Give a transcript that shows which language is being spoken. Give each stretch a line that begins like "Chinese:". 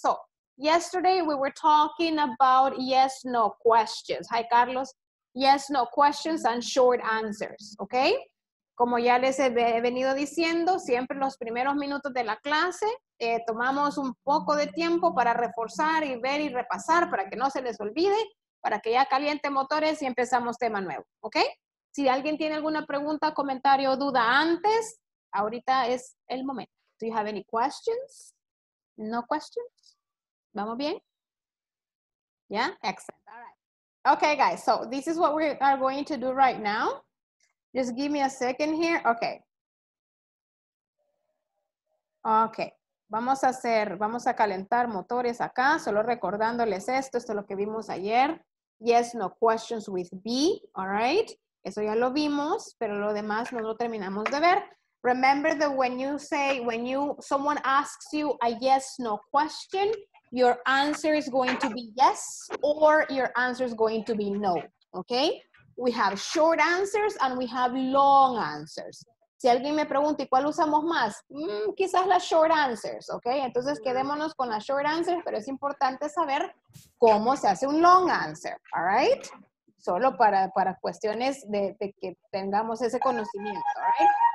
English: So, yesterday we were talking about yes, no questions. Hi, Carlos. Yes, no questions and short answers, ¿ok?
Spanish: Como ya les he venido diciendo, siempre los primeros minutos de la clase tomamos un poco de tiempo para reforzar y ver y repasar para que no se les olvide, para que ya caliente motores y empezamos tema nuevo, ¿ok? Si alguien tiene alguna pregunta, comentario o duda antes, ahorita es el momento.
English: Do you have any questions? No questions?
Spanish: ¿Vamos bien?
English: Yeah, excellent. All right. Okay, guys, so this is what we are going to do right now. Just give me a second here. Okay.
Spanish: Okay. Vamos a calentar motores acá, solo recordándoles esto. Esto es lo que vimos ayer.
English: Yes, no questions with B. All right.
Spanish: Eso ya lo vimos, pero lo demás no lo terminamos de ver.
English: Remember that someone asks you a yes, no question, your answer is going to be yes or your answer is going to be no. Okay? We have short answers and we have long answers.
Spanish: Si alguien me pregunta, ¿y cuál usamos más? Quizás las short answers, ¿ok? Entonces quedémonos con las short answers, pero es importante saber cómo se hace un long answer, ¿all right? Solo para cuestiones de que tengamos ese conocimiento, ¿all right?